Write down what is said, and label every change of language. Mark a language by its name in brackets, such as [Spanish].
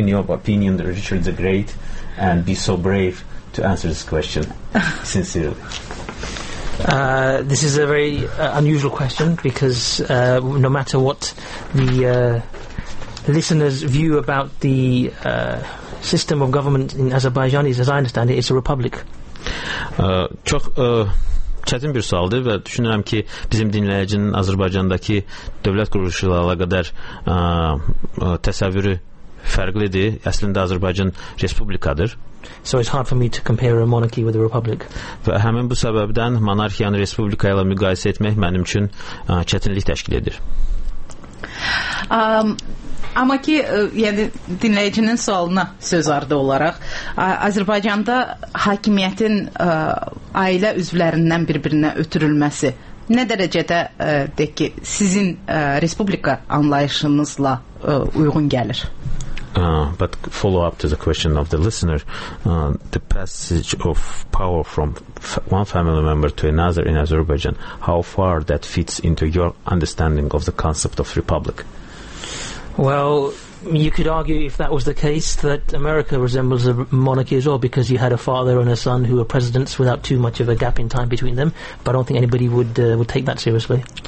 [English] in your opinion the Richard the Great and be so brave to answer this question sincerely. This is a very unusual question, because no matter what the listeners' view about the system of government in Azerbaijan is, as I understand it, it's a republic. [Azerbaijani] Çox çətin bir sualdır və düşünürəm ki, bizim dinləyicinin Azərbaycandakı dövlət quruluşu ilə əlaqədar təsəvvürü fərqlidir. Əslində Azərbaycan respublikadır. [English] So it's hard for me to compare a monarchy with a republic. [Azerbaijani] Və həmin bu səbəbdən monarxiyanı respublika ilə müqayisə etmək mənim üçün çətinlik təşkil edir. Amma ki, yəni dinləyicinin sualına söz ardı olaraq, Azərbaycanda hakimiyyətin ailə üzvlərindən bir-birinə ötürülməsi nə dərəcədə deyək ki, sizin respublika anlayışınızla uyğun gəlir? [English] But follow up to the question of the listener, the passage of power from one family member to another in Azerbaijan, how far that fits into your understanding of the concept of republic? Well, you could argue, if that was the case, that America resembles a monarchy as well, because you had a father and a son who were presidents without too much of a gap in time between them, but I don't think anybody would take that seriously.